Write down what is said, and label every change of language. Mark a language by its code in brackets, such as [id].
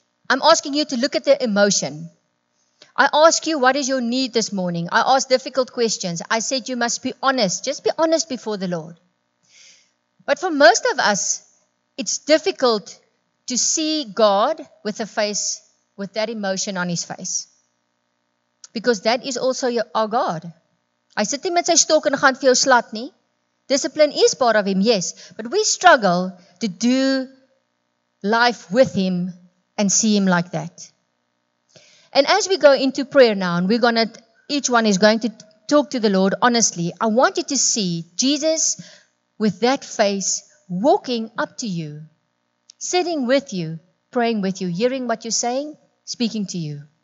[en] I'm asking you to look at the emotion. I ask you, what is your need this morning? I ask difficult questions. I said you must be honest. Just be honest before the Lord. But for most of us, it's difficult to see God with a face, with that emotion on His face. Because that is also our God. [af] Hy sit nie met sy stok en gaan vir jou slat nie. [en] Discipline is part of Him, yes. But we struggle to do life with Him and see Him like that. And as we go into prayer now, and each one is going to talk to the Lord honestly, I want you to see Jesus with that face walking up to you, sitting with you, praying with you, hearing what you're saying, speaking to you.